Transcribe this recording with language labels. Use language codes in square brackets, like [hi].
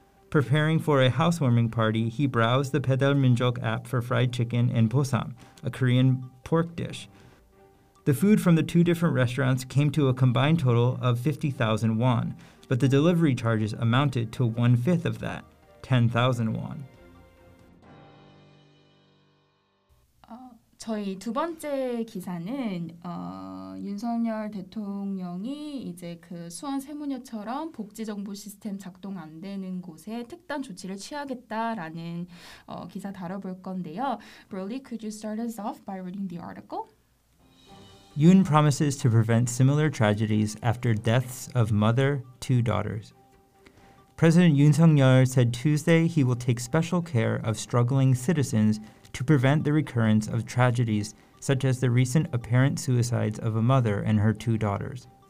[en] Preparing for a housewarming party, he browsed the 배달민족 app for fried chicken and bosam, a Korean pork dish. The food from the two different restaurants came to a combined total of 50,000 won, but the delivery charges amounted to one-fifth of that. 10,000 won. [ko] 저희 두 번째 기사는 윤석열 대통령이 이제 그 수원 세모녀처럼 복지정보시스템 작동 안 되는 곳에 특단 조치를 취하겠다라는 기사 다뤄볼 건데요. [en] Broly, could you start us off by reading the article? Yoon promises to prevent similar tragedies after deaths of mother, two daughters. President Yoon Suk-yeol said Tuesday he will take special care of struggling citizens to prevent the recurrence of tragedies such as the recent apparent suicides of a mother and her two daughters.